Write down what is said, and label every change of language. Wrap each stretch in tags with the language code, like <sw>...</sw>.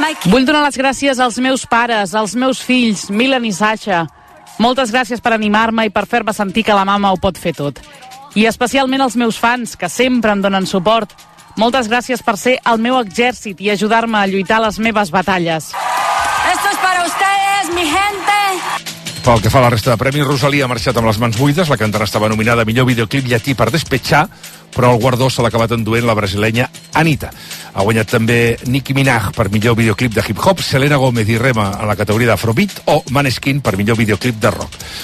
<ca>Vull donar les gràcies als meus pares, als meus fills, Milan i Sasha. Moltes gràcies per animar-me i per fer-me sentir que la mama ho pot fer tot. I especialment als meus fans, que sempre em donen suport. Moltes gràcies per ser el meu exèrcit i ajudar-me a lluitar les meves batalles.</ca> <es>Esto es para ustedes, mi gente.</es> <ca>Pel que fa a la resta de premis, Rosalía ha marxat amb les mans buides. La cantant estava nominada millor videoclip llatí per despetxar, però el guardó se l'ha acabat enduent la brasileña Anita. Ha guanyat també Nicki Minaj per millor videoclip de hip-hop, Selena Gomez i Rema en la categoria d'afrobeat o Maneskin per millor videoclip de rock.</ca>